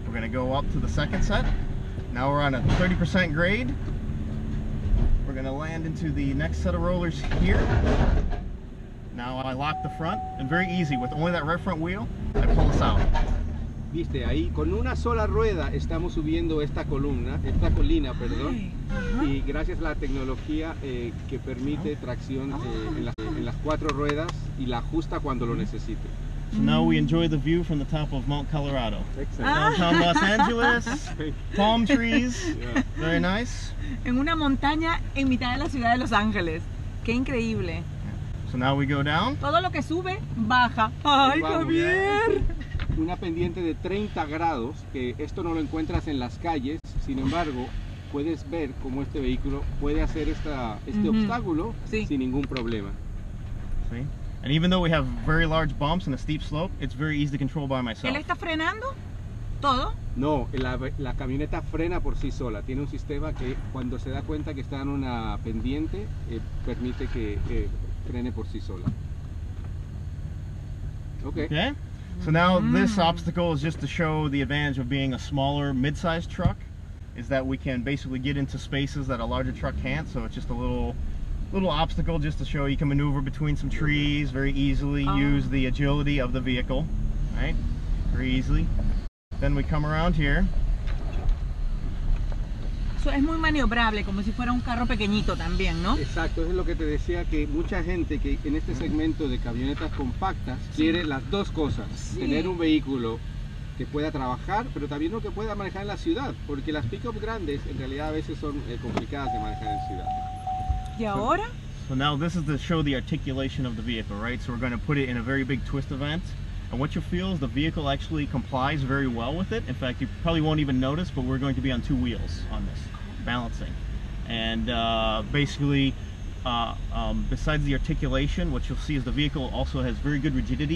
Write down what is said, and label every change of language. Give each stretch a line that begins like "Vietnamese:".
English: We're going to go up to the second set. Now we're on a 30% grade. We're gonna land into the next set of rollers here. Now I lock the front, and very easy, with only that right front wheel, I pull us out.
Spanish: Viste, ahí con una sola rueda estamos subiendo esta columna, esta colina, perdón. Y gracias a la tecnología que permite tracción en las cuatro ruedas y la ajusta cuando lo necesite.
English: So now we enjoy the view from the top of Mount Colorado. Excellent. Downtown Los Angeles, palm trees, very nice.
Spanish: En una montaña en mitad de la ciudad de Los Ángeles. Qué increíble.
English: So now we go down.
Spanish: Todo lo que sube, baja. ¡Ay, Javier! Una pendiente de 30 grados, que esto no lo encuentras en las calles. Sin embargo, puedes ver cómo este vehículo puede hacer este obstáculo sin ningún problema. Sí.
English: And even though we have very large bumps and a steep slope, it's very easy to control by myself.
Spanish: ¿Él está frenando todo? No, la camioneta frena por sí sola. Tiene un sistema que cuando se da cuenta que está en una pendiente, permite que frene por sí sola.
English: Okay. Okay. So now this obstacle is just to show the advantage of being a smaller mid-sized truck, is that we can basically get into spaces that a larger truck can't, so it's just a little obstacle just to show you can maneuver between some trees very easily, use the agility of the vehicle, right? Very easily. Then we come around here.
Spanish: So es muy maniobrable, como si fuera un carro pequeñito también, ¿no? Exacto, es lo que te decía, que mucha gente que en este segmento de camionetas compactas quiere las dos cosas, tener un vehículo que pueda trabajar, pero también lo que pueda manejar en la ciudad, porque las pick-up grandes en realidad a veces son complicadas de manejar en ciudad. ¿Y ahora?
English: So now this is to show the articulation of the vehicle, right? So we're going to put it in a very big twist event. And what you feel is the vehicle actually complies very well with it. In fact, you probably won't even notice, but we're going to be on two wheels on this, balancing. And basically, besides the articulation, what you'll see is the vehicle also has very good rigidity.